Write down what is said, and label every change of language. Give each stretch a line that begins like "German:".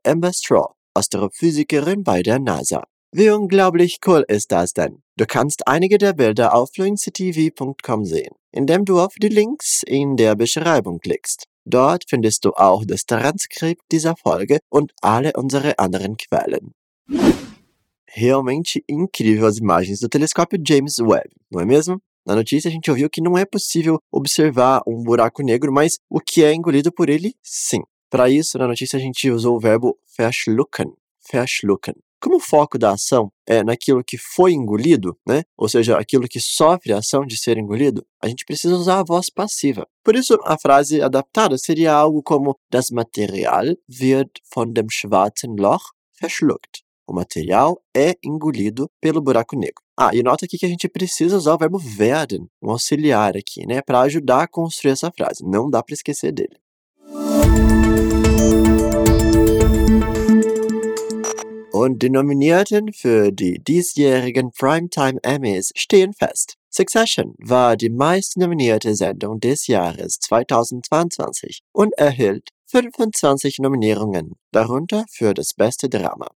German: Amber Straw, Astrophysikerin bei der NASA. Wie unglaublich cool ist das denn? Du kannst einige der Bilder auf fluencytv.com sehen, indem du auf die Links in der Beschreibung klickst. Dort findest du auch das Transkript dieser Folge und alle unsere anderen Quellen.
Portuguese: Realmente incrível as imagens do telescópio James Webb, não é mesmo? Na notícia a gente ouviu que não é possível observar um buraco negro, mas o que é engolido por ele, sim. Para isso, na notícia a gente usou o verbo verschlucken, verschlucken. Como o foco da ação é naquilo que foi engolido, né? Ou seja, aquilo que sofre a ação de ser engolido, a gente precisa usar a voz passiva. Por isso, a frase adaptada seria algo como
German: Das Material wird von dem schwarzen Loch verschluckt.
Portuguese: O material é engolido pelo buraco negro. Ah, e nota aqui que a gente precisa usar o verbo werden, um auxiliar aqui, né? Para ajudar a construir essa frase. Não dá para esquecer dele.
German: Und die Nominierten für die diesjährigen Primetime Emmys stehen fest. Succession war die meistnominierte Sendung des Jahres 2022 und erhielt 25 Nominierungen, darunter für das beste Drama.